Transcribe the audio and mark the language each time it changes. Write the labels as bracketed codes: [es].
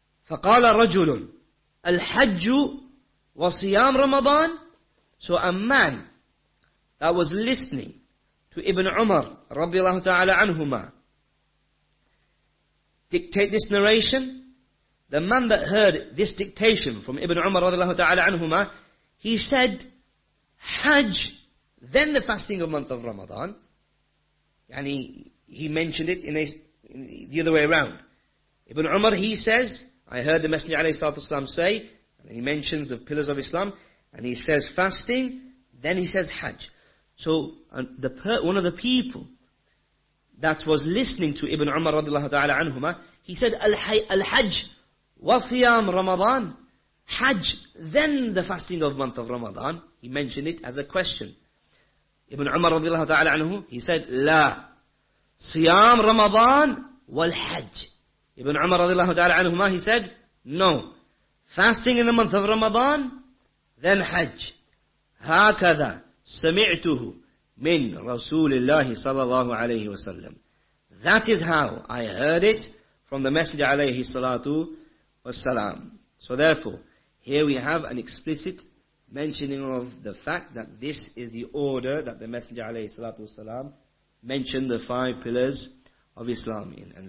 [ar] فقال رجل الحج وصيام رمضان [en] So a man that was listening to Ibn Umar رضي الله تعالى عنهما dictate this narration, the man that heard this dictation from Ibn Umar رضي الله تعالى عنهما, he said Hajj, then the fasting of month of Ramadan. Yani he mentioned it in the other way around. Ibn Umar, he says, I heard the Messenger عليه الصلاة والسلام say, and he mentions the pillars of Islam, and he says fasting, then he says Hajj. So one of the people that was listening to Ibn Umar رضي الله تعالى عنهما, he said Al-Hajj [ar] وصيام رمضان, [en] Hajj, then the fasting of month of Ramadan. He mentioned it as a question. Ibn Umar رضي الله تعالى عنه, he said [ar] لا صيام رمضان والحج. [en] Ibn Umar رضي الله تعالى عنهما, he said no, fasting in the month of Ramadan, then Hajj. [ar] هكذا سمعته من رسول الله صلى الله عليه وسلم. [en] That is how I heard it from the Messenger عليه الصلاة والسلام. So therefore, here we have an explicit mentioning of the fact that this is the order that the Messenger عليه الصلاة والسلام mentioned the five pillars of Islam in.